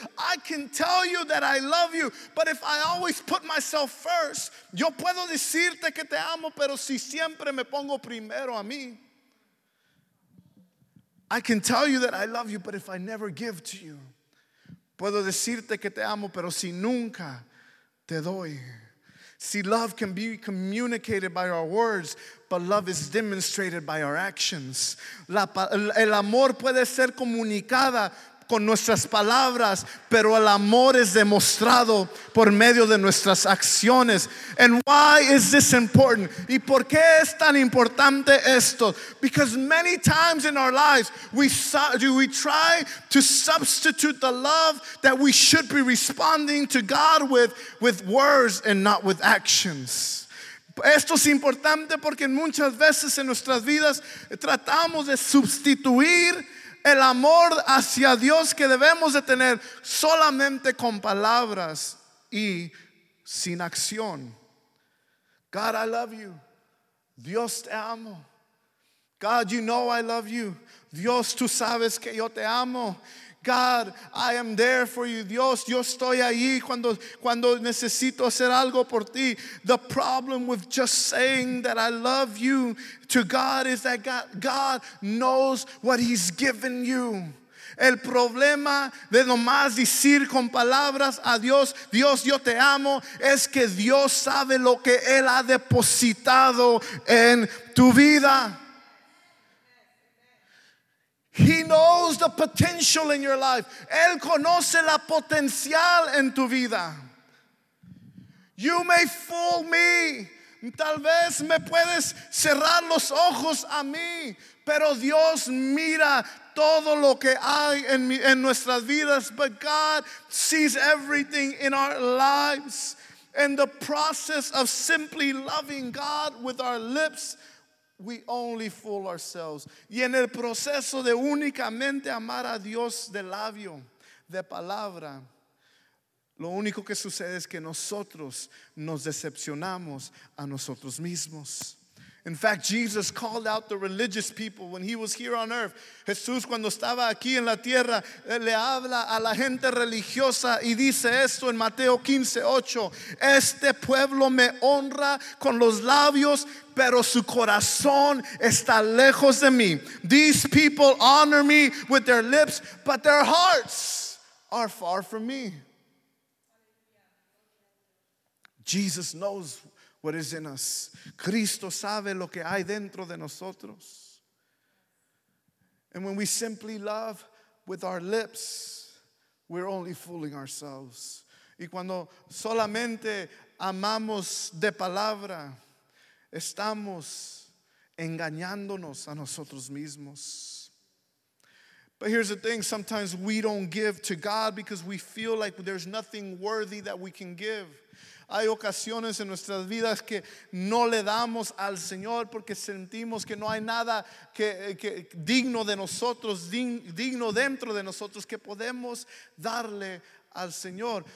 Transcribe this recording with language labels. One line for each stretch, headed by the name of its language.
English: I can tell you that I love you, but if I always put myself first.
Spanish: Yo puedo decirte que te amo, pero si siempre me pongo primero a mí.
English: I can tell you that I love you, but if I never give to you.
Spanish: Puedo decirte que te amo, pero si nunca te doy.
English: See, love can be communicated by our words, but love is demonstrated by our actions.
Spanish: El amor puede ser comunicada con nuestras palabras, pero el amor es demostrado por medio de nuestras acciones.
English: And why is this important?
Spanish: ¿Y por qué es tan importante esto?
English: Because many times in our lives, we try to substitute the love that we should be responding to God with words and not with actions.
Spanish: Esto es importante porque muchas veces en nuestras vidas tratamos de sustituir el amor hacia Dios que debemos de tener solamente con palabras y sin acción.
English: God, I love you.
Spanish: Dios, te amo.
English: God, you know I love you.
Spanish: Dios, tú sabes que yo te amo.
English: God, I am there for you.
Spanish: Dios, yo estoy ahí cuando necesito hacer algo por ti.
English: The problem with just saying that I love you to God is that God knows what he's given you.
Spanish: El problema de nomás decir con palabras a Dios, Dios, yo te amo, es que Dios sabe lo que él ha depositado en tu vida.
English: He knows the potential in your life.
Spanish: Él conoce la potencial en tu vida.
English: You may fool me.
Spanish: Tal vez me puedes cerrar los ojos a mí. Pero Dios mira todo lo que hay en nuestras vidas.
English: But God sees everything in our lives. And the process of simply loving God with our lips, we only fool ourselves.
Spanish: Y en el proceso de únicamente amar a Dios de labio, de palabra, lo único que sucede es que nosotros nos decepcionamos a nosotros mismos.
English: In fact, Jesus called out the religious people when he was here on earth.
Spanish: Jesús, cuando estaba aquí en la tierra, le habla a la gente religiosa y dice esto en Mateo 15:8. Este pueblo me honra con los labios, pero su corazón está lejos de mí.
English: These people honor me with their lips, but their hearts are far from me. Jesus knows what is in us.
Spanish: Cristo sabe lo que hay dentro de nosotros.
English: And when we simply love with our lips, we're only fooling ourselves.
Spanish: Y cuando solamente amamos de palabra, estamos engañándonos a nosotros mismos.
English: But here's the thing, sometimes we don't give to God because we feel like there's nothing worthy that we can give.
Spanish: Hay ocasiones en nuestras vidas que no le damos al Señor porque sentimos que no hay nada que digno de nosotros, digno dentro de nosotros que podemos darle al Señor.